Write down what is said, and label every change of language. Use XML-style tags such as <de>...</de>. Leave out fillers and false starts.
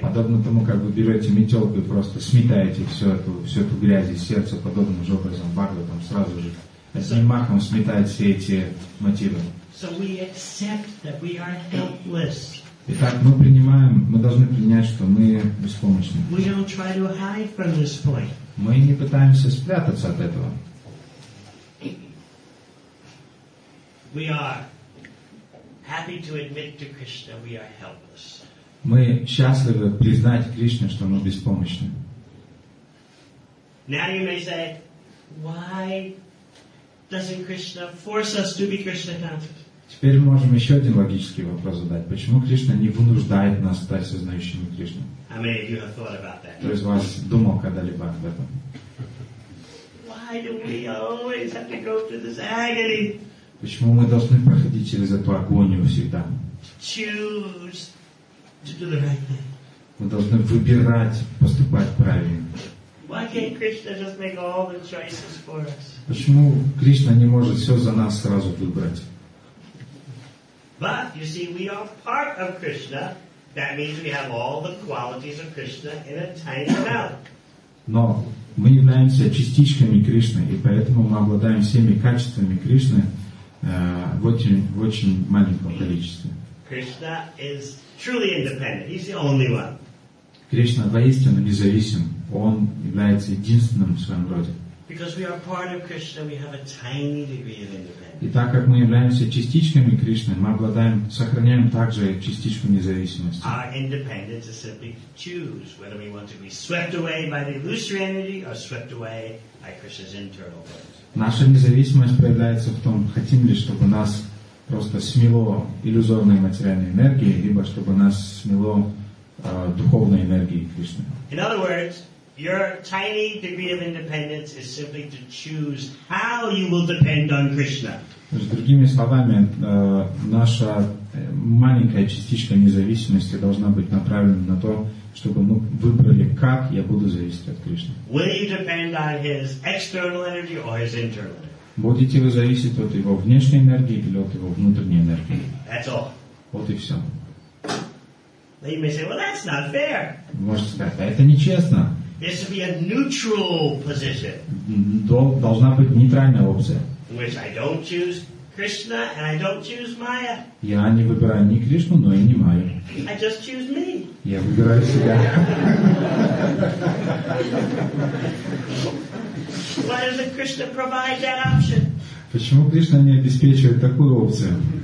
<ru>Подобно тому, как вы берете метелку и просто сметаете всю эту грязь из сердца, подобным же образом Бхагаватам сразу же одним махом сметает все эти мотивы.</ru> <en>So we accept that we are helpless.</en> <ru>Итак, мы должны принять, что мы беспомощны.</ru> <en>We don't try to hide from this point.</en> <ru>Мы не пытаемся спрятаться от этого.</ru> <en>We are happy to admit to Krishna we are helpless.</en> <ru>Мы счастливы признать Кришне, что мы беспомощны.</ru> <en>Now you may say, why doesn't Krishna force us to be Krishna conscious?</en> <ru>Теперь мы можем еще один логический вопрос задать. Почему Кришна не вынуждает нас стать сознающими Кришну? Кто из вас думал когда-либо об этом?</ru> <en>Why do we always have to go through this agony?</en> <ru>Почему мы должны проходить через эту агонию всегда?</ru> <en>choose to do the right thing.</en> <ru>Мы должны выбирать поступать правильно.</ru> <en>Why can't Krishna just make all the choices for us?</en> <ru>Почему Кришна не может все за нас сразу выбрать?</ru> <en>But you see, we are part of Krishna. That means we have all the qualities of Krishna in a tiny amount.</en> <ru>Но мы являемся частичками Кришны, и поэтому мы обладаем всеми качествами Кришны в очень маленьком количестве.</ru> <en>Krishna is truly independent. He's the only one.</en> <ru>Кришна воистину независим. Он является единственным в своем роде.</ru> <en>Because we are part of Krishna, we have a tiny degree of independence.</en> <ru>И так как мы являемся частичками Кришны, мы обладаем, сохраняем также частичку независимости.</ru> <en>Our independence is simply to choose whether we want to be swept away by the illusory energy or swept away by Krishna's internal force.</en> <ru>Наша независимость проявляется в том, хотим ли, чтобы нас просто смело иллюзорной материальной энергией, либо чтобы нас смело духовной энергией Кришны.</ru> <en>In other words, your tiny degree of independence is simply to choose how you will depend on Krishna.</en> <ru>С другими словами, наша маленькая частичка независимости должна быть направлена на то, чтобы мы выбрали, как я буду зависеть от Кришны.</ru> <en>Will you depend on his external energy or his internal energy?</en> <ru>Будете вы зависеть от его внешней энергии или от его внутренней энергии?</ru> <en>That's all.</en> <ru>Вот и все.</ru> <en>You may say, well, that's not fair.</en> <ru>Вы можете сказать, а это нечестно.</ru> <en>There should be a neutral position.</en> <ru>Должна быть нейтральная опция.</ru> <en>Which I don't choose Krishna and I don't choose Maya.</en> <ru>Я не выбираю ни Кришну, но и не Майю.</ru> <en>I just choose me.</en> <ru>Я выбираю себя.</ru> <en>Why doesn't Krishna provide that option?</en> <ru>Почему Кришна не обеспечивает такую опцию?</ru>